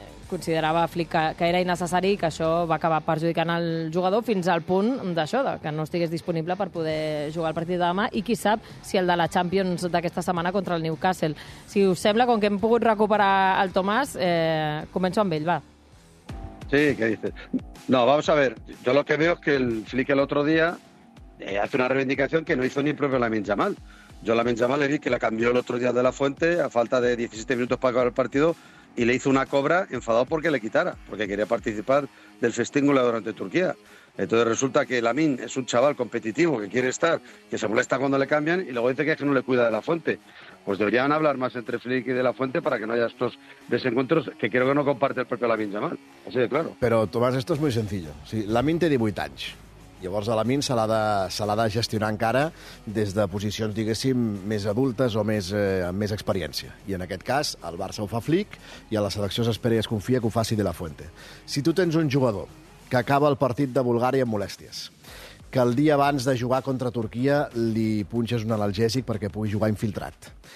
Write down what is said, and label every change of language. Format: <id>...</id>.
<ca>Considerava Flick que era innecessari, que això va acabar perjudicant el jugador fins al punt d'això, que no estigués disponible per poder jugar el partit de demà, i qui sap si el de la Champions d'aquesta setmana contra el Newcastle. Si us sembla, com que hem pogut recuperar el Tomàs, començo amb ell, va.</ca> <es>Sí, què dices? No, vamos a ver. Yo lo que veo es que el Flick el otro día hace una reivindicación que no hizo ni el propio Lamine Yamal. Yo a Lamine Yamal le vi que la cambió el otro día de la Fuente a falta de 17 minutos para acabar el partido y le hizo una cobra enfadado porque le quitara, porque quería participar del festín durante Turquía. Entonces resulta que Lamine es un chaval competitivo que quiere estar, que se molesta cuando le cambian y luego dice que es que no le cuida de la Fuente. Pues deberían hablar más entre Flick y de la Fuente para que no haya estos desencuentros que creo que no comparte el propio Lamine Yamal. Así de claro. Pero Tomás, esto es muy sencillo.</es> <ca>Sí, Lamine té 18 anys. Llavors a Lamine se l'ha de gestionar encara des de posicions, diguéssim, més adultes o més, amb més experiència. I en aquest cas, el Barça ho fa Flick i a la selecció s'espera i es confia que ho faci de la Fuente. Si tu tens un jugador que acaba el partit de Bulgària amb molèsties, que el dia abans de jugar contra Turquia li punxes un analgèsic perquè pugui jugar infiltrat.</ca>